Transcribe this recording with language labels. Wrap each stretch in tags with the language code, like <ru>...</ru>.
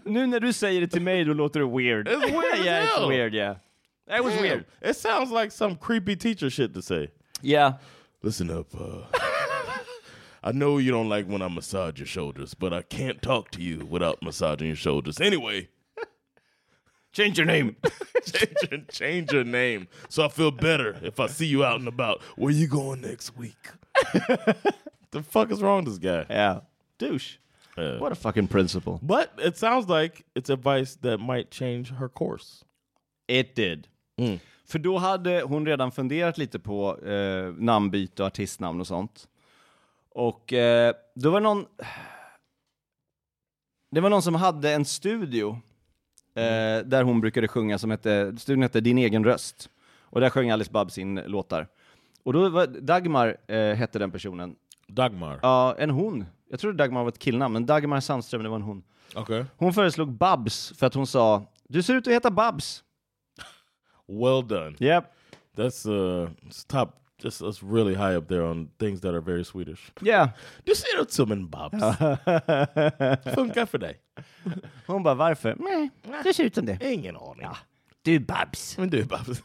<sv>Nu när du säger det till mig, då låter det weird.</sv> <en>It's weird. Yeah, hell. It's weird, yeah. It was weird. It sounds like some creepy teacher shit to say. Yeah. Listen up. I know you don't like when I massage your shoulders, but I can't talk to you without massaging your shoulders. Anyway. Change your name. change your name. So I feel better if I see you out and about. Where you going next week? The fuck is wrong with this guy? Yeah. Douche. Yeah. What a fucking principal. But it sounds like it's advice that might change her course. It did. Mm.</en> <sv>För då hade hon redan funderat lite på namnbyte och artistnamn och sånt. Och då var någon. Det var någon som hade en studio där hon brukade sjunga som hette, studion hette Din egen röst. Och där sjöng Alice Babs sin låtar. Och då var Dagmar hette den personen. Dagmar? Ja, en hon. Jag tror Dagmar var ett killnamn, men Dagmar Sandström, det var en hon. Okay. Hon föreslog Babs för att hon sa, du ser ut att heta Babs.</sv> <en>Well done. Yep. That's top, just that's really high up there on things that are very Swedish. Yeah.</en> <sv>Du ser ut som en Babs. Funkar för dig. Hon bara, varför? Nej, du ser ut som det. Ingen aning. Ja. Du är Babs. Men du är Babs.</sv>